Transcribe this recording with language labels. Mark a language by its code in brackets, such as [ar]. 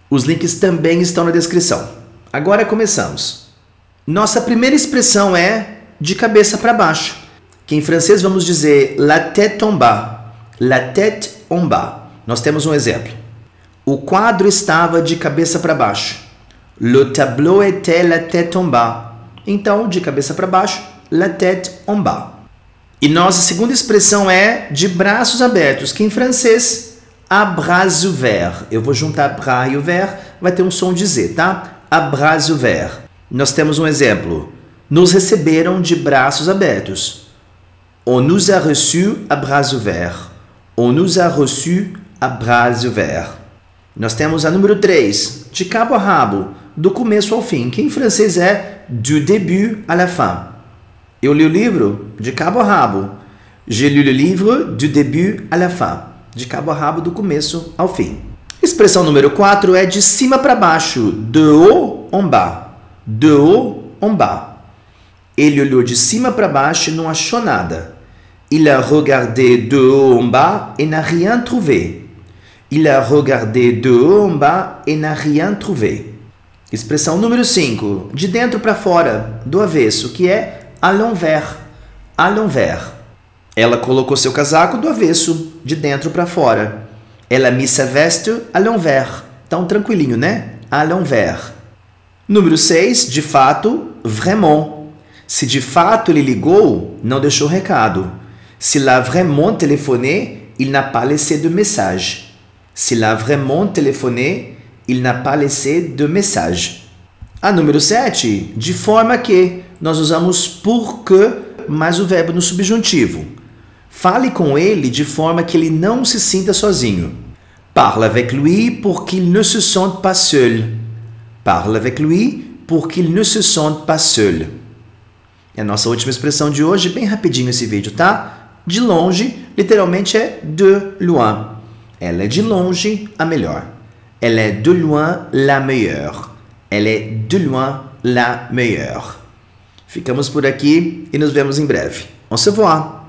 [pt] Os links também estão na descrição. Agora começamos. Nossa primeira expressão é de cabeça para baixo, que em francês vamos dizer [fr] la tête en bas. La tête en bas. [pt] Nós temos um exemplo. O quadro estava de cabeça para baixo. [fr] Le tableau était la tête en bas. [pt] Então, de cabeça para baixo, la tête en bas. E nossa segunda expressão é de braços abertos, que em francês, [fr] à bras ouverts. [pt] Eu vou juntar bras e ouvert, vai ter um som de Z, tá? [fr] À bras ouverts. [pt] Nós temos um exemplo. Nos receberam de braços abertos. [fr] On nous a reçus à bras ouverts. On nous a reçus à bras ouverts. [pt] Nós temos a número 3, de cabo a rabo, do começo ao fim, que em francês é [fr] du début à la fin. [pt] Eu li o livro de cabo a rabo. [fr] Je lis le livre du début à la fin. [pt] De cabo a rabo, do começo ao fim. Expressão número 4 é de cima para baixo. [fr] De haut en bas. De haut en bas. [pt] Ele olhou de cima para baixo e não achou nada. [fr] Il a regardé de haut en bas et n'a rien trouvé. Il a regardé de haut en bas et n'a rien trouvé. [pt] Expressão número 5. De dentro para fora, do avesso, que é [fr] à l'envers. À l'envers. [pt] Ela colocou seu casaco do avesso, de dentro para fora. [fr] Ela mis sa veste à l'envers. [pt] Tão tranquilinho, né? [fr] À l'envers. [pt] Número 6. De fato, [fr] vraiment. [pt] Se de fato ele ligou, não deixou recado. [fr] Si l'a vraiment téléphoné, il n'a pas laissé de message. Si l'a vraiment téléphoné, il n'a pas laissé de message. [pt] A número 7, de forma que nós usamos [fr] pour que [pt] mais o verbo no subjuntivo. Fale com ele de forma que ele não se sinta sozinho. [fr] Parle avec lui pour qu'il ne se sente pas seul. Parle avec lui pour qu'il ne se sente pas seul. [pt] É a nossa última expressão de hoje, bem rapidinho esse vídeo, tá? De longe, literalmente é [fr] de loin. [pt] Ela é de longe a melhor. Ela é [fr] de loin la meilleure. [pt] Ela é [fr] de loin la meilleure. [pt] Ficamos por aqui e nos vemos em breve. [fr] Au revoir!